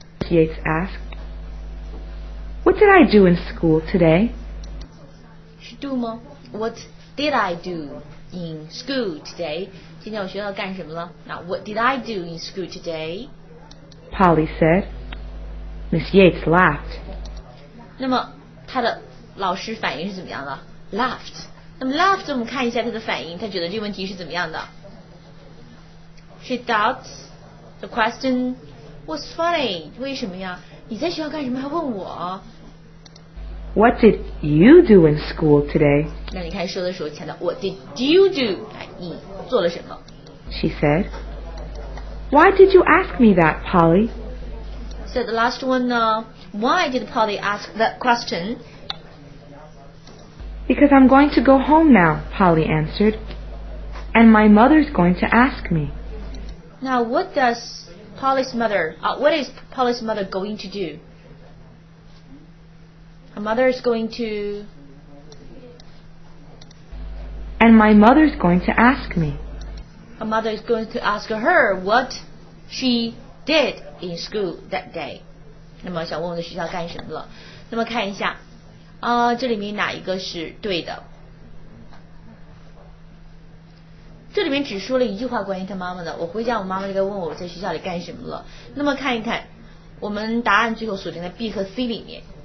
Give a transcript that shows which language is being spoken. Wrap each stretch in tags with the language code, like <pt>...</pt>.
<en>Yates asked. What did I do in school today? Do 吗?What did I do in school today?</en> <zh>今天我学校干什么了?</zh> <en>Now, what did I do in school today? Polly said. Miss Yates laughed.</en> <zh>那么她的老师反应是怎么样的? Laughed. 那么 laughed 我们看一下他的反应，他觉得这个问题是怎么样的 ？</zh> <en>She thought the question was funny.</en> <zh>为什么呀？你在学校干什么还问我</zh> <en>？What did you do in school today？</en> <zh>那你看说的时候强调</zh> <en>What did you do？</en> <zh>你做了什么</zh> <en>？She said. Why did you ask me that, Polly？ So the last one 呢 ？Why did Polly ask that question？ Because I'm going to go home now, Polly answered. And my mother's going to ask me. Now, what does Polly's mother, what is Polly's mother going to do? Her mother is going to... And my mother's going to ask me. Her mother is going to ask her what she did in school that day.</en> <zh>那么想问问学校干什么了。那么看一下。这里面哪一个是对的？这里面只说了一句话关于他妈妈的，我回家我妈妈就该问我在学校里干什么了。那么看一看，我们答案最后锁定在 B 和 C 里面。</zh>